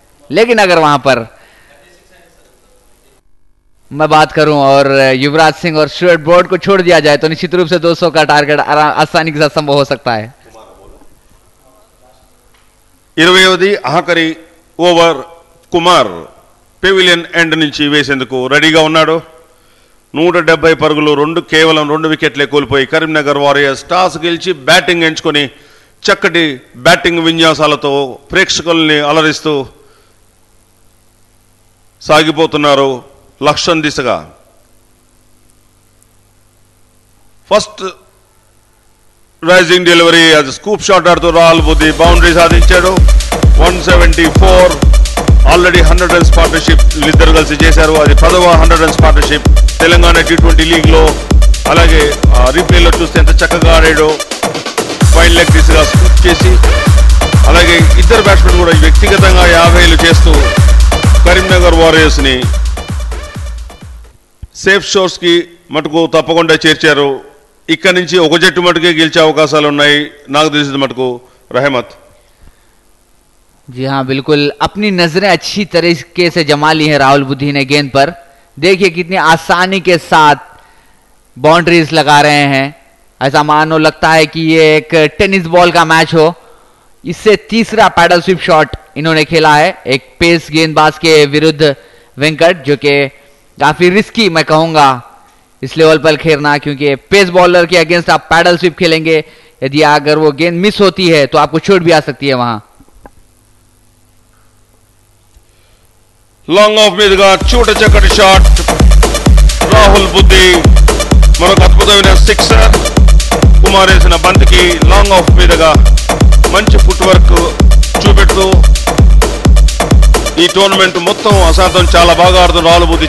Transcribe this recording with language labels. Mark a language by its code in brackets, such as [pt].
[hi] लेकिन अगर वहां पर मैं बात करूं और युवराज सिंह और स्टुअर्ट ब्रॉड को छोड़ दिया जाए तो निश्चित रूप से 200 का टारगेट आसानी के साथ संभव हो सकता है. 20वीं आखिरी ओवर कुमार पेविलियन एंड [te] నుంచి వేసేందుకు రెడీగా ఉన్నాడు. 170 పరుగులు, 2 కేవలం 2 వికెట్లే కోల్పోయి కరీంనగర్ వారియర్స్ టాస్ గెలిచి బ్యాటింగ్ ఎంచుకొని చక్కటి బ్యాటింగ్ విన్యాసాలతో ప్రేక్షకుల్ని అలరిస్తూ సాగిపోతున్నారు లక్ష్యం దిశగా. ఫస్ట్ రైజింగ్ డెలివరీ అది స్కూప్ షాట్ ఆడుతూ రాహుల్ బుద్ధి బౌండరీ సాధించాడు 174. ఆల్రెడీ 100 రన్స్ పార్ట్నర్షిప్ వీళ్ళిద్దరు కలిసి చేశారు, అది 10వ 100 రన్స్ పార్ట్నర్షిప్ తెలంగాణ T20 లీగ్లో. అలాగే రీప్లేలో చూస్తే ఎంత చక్కగా ఆడాడో, ఫైన్ లెగ్ దిశగా స్కూప్ చేసి. అలాగే ఇద్దరు బ్యాట్స్మెన్ కూడా వ్యక్తిగతంగా 50లు చేస్తూ కరీంనగర్ వారియర్స్ని సేఫ్ షోర్స్కి మటుకు తప్పకుండా చేర్చారు. ఇక్కడ నుంచి ఒక జట్టు మటుకే గెలిచే అవకాశాలు ఉన్నాయి నాకు తెలిసిన మటుకు. రహమత్ [hi] जी हाँ बिल्कुल, अपनी नजरें अच्छी तरीके से जमा ली है राहुल बुद्धि ने गेंद पर. देखिए कितनी आसानी के साथ बाउंड्रीज लगा रहे हैं, ऐसा मानो लगता है कि ये एक टेनिस बॉल का मैच हो. इससे तीसरा पैडल स्विप शॉट इन्होंने खेला है एक पेस गेंदबाज के विरुद्ध वेंकट, जो कि काफी रिस्की मैं कहूंगा इस लेवल पर खेलना, क्योंकि पेस बॉलर के अगेंस्ट आप पैडल स्विप खेलेंगे, यदि अगर वो गेंद मिस होती है तो आपको चोट भी आ सकती है वहां. [te] లాంగ్ ఆఫ్ మీదుగా చూట చక్కటి షాట్ రాహుల్ బుద్ధి, మరొక అద్భుతమైన సిక్సర్ కుమార్ వేసిన బంతికి లాంగ్ ఆఫ్ మీదుగా మంచి ఫుట్ వర్క్ చూపెడుతూ ఈ టోర్నమెంట్ మొత్తం అసాధం చాలా బాగా ఆడుతుంది రాహుల్ బుద్ధి.